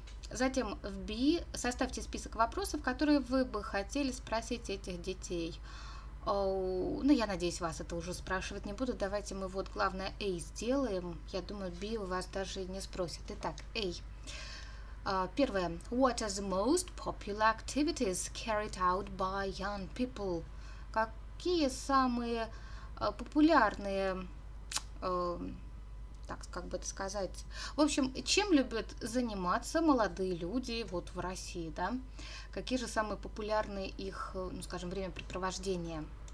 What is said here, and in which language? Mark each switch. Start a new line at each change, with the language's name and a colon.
Russian: Затем в БИ составьте список вопросов, которые вы бы хотели спросить этих детей. Ну, я надеюсь, вас это уже спрашивать не буду. Давайте мы вот главное «эй» сделаем. Я думаю, «би» у вас даже не спросят. Итак, «эй». Первое.
English: What are the most popular activities carried out by young people?
Russian: Какие самые популярные, так как бы это сказать? В общем, чем любят заниматься молодые люди вот в России, да? Какие же самые популярные их, ну, скажем, времяпрепровождения?